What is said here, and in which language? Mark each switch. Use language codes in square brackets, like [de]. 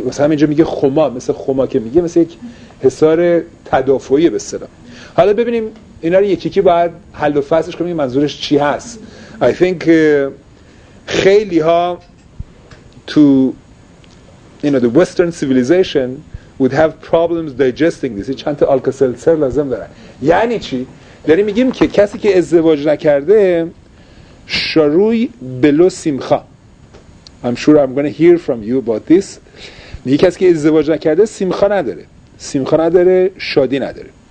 [fa] مثلا همینجا میگه خما، مثل خما که میگه، مثل یک حصار تدافعی به اصطلاح. حالا ببینیم اینا رو یکی یکی باید حل و فصلش کنیم منظورش چی هست. [en] I think [fa] خیلی ها تو [en] you know the western civilization would have problems digesting this. [fa] چند تا آلکاسلسر لازم داره. یعنی چی؟ داریم میگیم که کسی که ازدواج نکرده شروی بلو سیمخا، [en] I'm sure I'm going to hear from you about this. [fa] میگه کسی که ازدواج نکرده سیمخا نداره، شادی نداره.